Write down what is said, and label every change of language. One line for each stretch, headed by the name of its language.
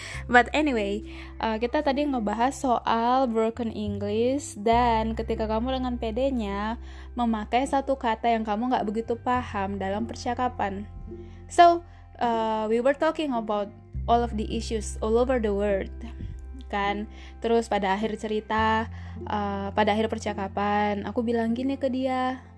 English: But anyway,
Indonesian: kita tadi ngebahas soal broken English, dan ketika kamu dengan pedenya memakai satu kata yang kamu gak begitu paham dalam percakapan.
English: So, we were talking about all of the issues all over the world.
Indonesian: Kan? Terus pada akhir cerita, pada akhir percakapan, aku bilang gini ke dia.